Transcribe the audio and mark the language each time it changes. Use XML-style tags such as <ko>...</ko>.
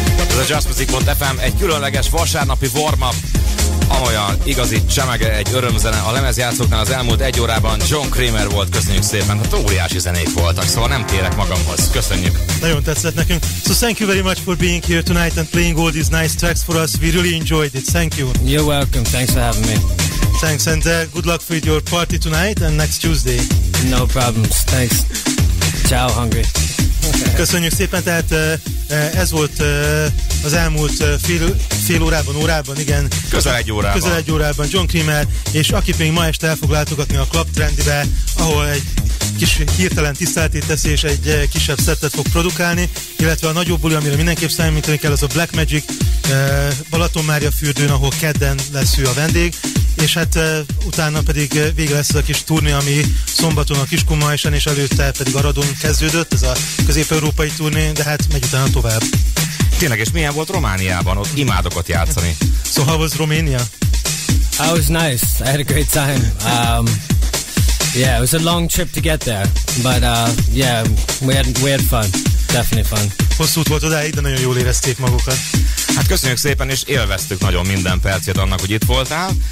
<hu>Ez a Jazz Music Pont FM, egy különleges vasárnapi warm-up, amolyan igazi csemege, egy örömzene. A lemezjátszóknál az elmúlt egy órában John Kramer volt, köszönjük szépen, hát óriási zenék voltak, szóval nem térek magamhoz, köszönjük. Nagyon tetszett nekünk.</hu> <en>So thank you very much for being here tonight and playing all these nice tracks for us, we really enjoyed it, thank you. You're welcome, thanks for having me. Thanks and good luck with your party tonight and next Tuesday. No problems, thanks. Ciao, Hungary.</en> <hu>Köszönjük szépen, tehát ez volt az elmúlt fél órában, közel egy órában John Kramer, és akit még ma este el fog látogatni a Club Trendybe, ahol egy kis hirtelen tiszteletét teszi és egy kisebb szettet fog produkálni, illetve a nagyobb buli, amire mindenképp számítani kell, az a Black Magic Balatonmária fürdőn, ahol kedden lesz ő a vendég, és hát utána pedig vége lesz ez a kis turné, ami szombaton a Kiskunmajsán, és előtte pedig Aradon kezdődött, ez a közép-európai turné, de hát megy utána tovább. Tényleg, és milyen volt Romániában? Ott imádok ott játszani.</hu> <en>So how was Romania? I was nice, I had a great time. Yeah, it was a long trip to get there, but yeah, we had fun, definitely fun.</en> <hu>Hosszút volt odáig, de nagyon jól érezték magukat. Hát köszönjük szépen, és élveztük nagyon minden percét annak, hogy itt voltál.</hu>